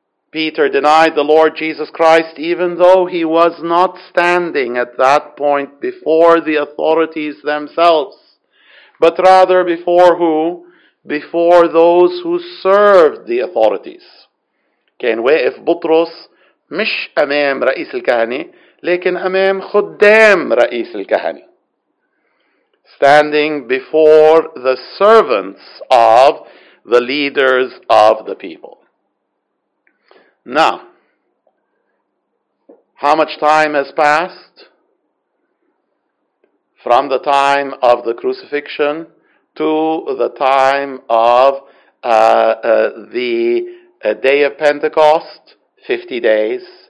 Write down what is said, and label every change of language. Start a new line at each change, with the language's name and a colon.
English: Peter denied the Lord Jesus Christ even though he was not standing at that point before the authorities themselves, but rather before who? Before those who served the authorities.
Arabic: كان واقف بطرس مش أمام رئيس الكهنة لكن أمام خدام رئيس الكهنة.
English: Standing before the servants of the leaders of the people. Now, how much time has passed from the time of the crucifixion to the time of the day of Pentecost, 50 days.